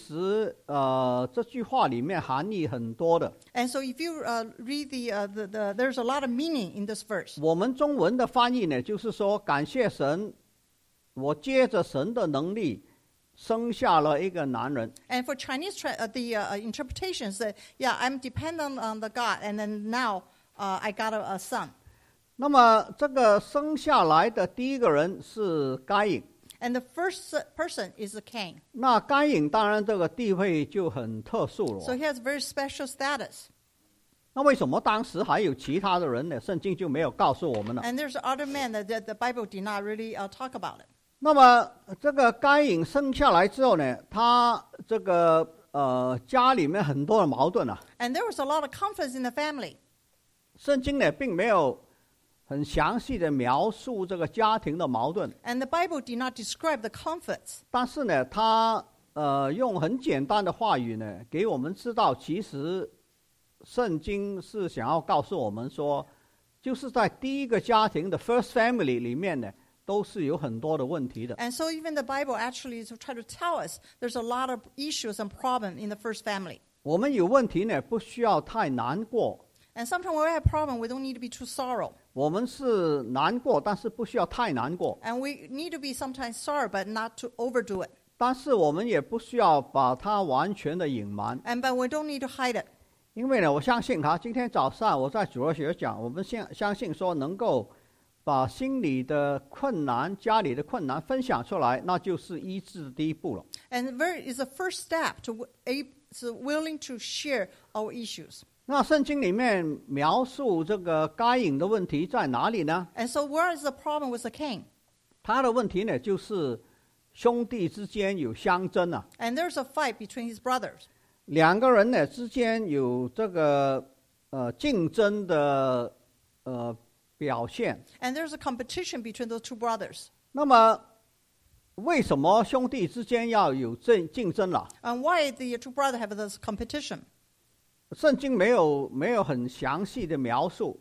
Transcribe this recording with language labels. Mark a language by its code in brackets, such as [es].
[zh] 如果你读这个解经书呢，它其实这句话里面含义很多的。 [en] And so if you read the there's a lot of meaning in this verse. [zh] 我们中文的翻译呢，就是说感谢神，我借着神的能力。生下了一个男人。 [en] And for Chinese, interpretation said, yeah, I'm dependent on the God, and then now I got a son. [zh] 那么这个生下来的第一个人是该隐。 [en] And the first person is Cain. [zh] 那该隐当然这个地位就很特殊了。 [en] So he has very special status. [zh] 那为什么当时还有其他的人呢？圣经就没有告诉我们了。 [en] And there's other men that the Bible did not really talk about it. [zh] 那么这个该隐生下来之后呢，他这个家里面很多的矛盾啊。 [en] And there was a lot of conflict in the family. [zh] 圣经呢并没有很详细的描述这个家庭的矛盾。 [en] And the Bible did not describe the conflicts. [zh] 但是呢，他用很简单的话语呢，给我们知道其实。圣经是想要告诉我们说，就是在第一个家庭的 [en] first family [zh] 里面呢，都是有很多的问题的。 [en] And so even the Bible actually is trying to tell us there's a lot of issues and problems in the first family. [zh] 我们有问题呢，不需要太难过。 [en] And sometimes we have problems, we don't need to be too sorrow. [zh] 我们是难过，但是不需要太难过。 [en] And we need to be sometimes sorry, but not to overdo it. [zh] 但是我们也不需要把它完全的隐瞒。 [en] And but we don't need to hide it. [zh] 因为呢，我相信哈，今天早上我在主日学讲，我们相信说能够把心里的困难、家里的困难分享出来，那就是医治的第一步了。 [en] And very is the first step to is willing to share our issues. [zh] 那圣经里面描述这个该隐的问题在哪里呢 [en] ？And so where is the problem with the Cain? [zh] 他的问题呢，就是兄弟之间有相争啊。 [en] And there's a fight between his brothers. [zh] 两个人呢之间有这个竞争的表现。 [en] And there's a competition between those two brothers. [zh] 那么为什么兄弟之间要有竞争了 [en] ？And why the two brothers have this competition? [zh] 圣经没有很详细的描述。